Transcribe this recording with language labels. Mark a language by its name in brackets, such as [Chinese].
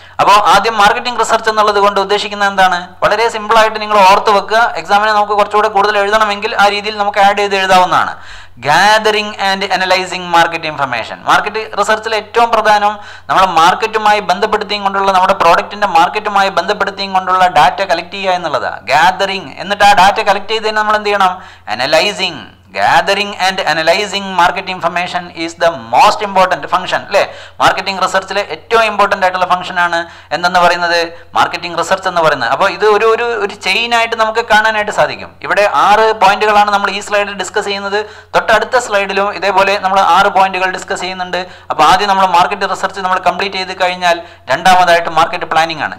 [Malayalam] അപ്പോൾ ആദ്യം marketing research എന്നുള്ളത് കൊണ്ട് ഉദ്ദേശിക്കുന്നത് എന്താണ്? വളരെ സിമ്പിളായിട്ട് നിങ്ങൾ ഓർത്ത് വെക്കുക, എക്സാമിന് നമുക്ക് കുറച്ചുകൂടെ കൂടുതൽ എഴുതണമെങ്കിൽ ആ രീതിയിൽ നമുക്ക് ആഡ് ചെയ്ത് എഴുതാവുന്നതാണ്. [English] Gathering and analysing market information. [Malayalam] Market റിസർച്ചിൽ ഏറ്റവും പ്രധാനം നമ്മൾ മാർക്കറ്റുമായി ബന്ധപ്പെടുത്തിയും കൊണ്ടുള്ള, നമ്മുടെ പ്രോഡക്റ്റിന്റെ മാർക്കറ്റുമായി ബന്ധപ്പെടുത്തിയും കൊണ്ടുള്ള ഡാറ്റ കളക്ട് ചെയ്യുക എന്നുള്ളതാണ്. ഗാദറിംഗ്, എന്നിട്ട് ആ ഡാറ്റ കളക്ട് ചെയ്തതിന് നമ്മൾ എന്ത് ചെയ്യണം? Analysing. [English] Gathering and analyzing market information is the most important function. [Malayalam] അല്ലേ, മാർക്കറ്റിംഗ് റിസർച്ചിലെ ഏറ്റവും ഇമ്പോർട്ടൻ്റ് ആയിട്ടുള്ള ഫംഗ്ഷൻ ആണ് എന്തെന്ന് പറയുന്നത്? മാർക്കറ്റിംഗ് റിസർച്ച് എന്ന് പറയുന്നത്. അപ്പോൾ ഇത് ഒരു ഒരു ഒരു ചെയിനായിട്ട് നമുക്ക് കാണാനായിട്ട് സാധിക്കും. ഇവിടെ 6 പോയിന്റുകളാണ് നമ്മൾ ഈ സ്ലൈഡിൽ ഡിസ്കസ് ചെയ്യുന്നത്. തൊട്ടടുത്ത സ്ലൈഡിലും ഇതേപോലെ നമ്മൾ 6 പോയിന്റുകൾ ഡിസ്കസ് ചെയ്യുന്നുണ്ട്. അപ്പോൾ ആദ്യം നമ്മൾ മാർക്കറ്റ് റിസർച്ച് നമ്മൾ കംപ്ലീറ്റ് ചെയ്ത് കഴിഞ്ഞാൽ രണ്ടാമതായിട്ട് മാർക്കറ്റ് പ്ലാനിംഗ് ആണ്.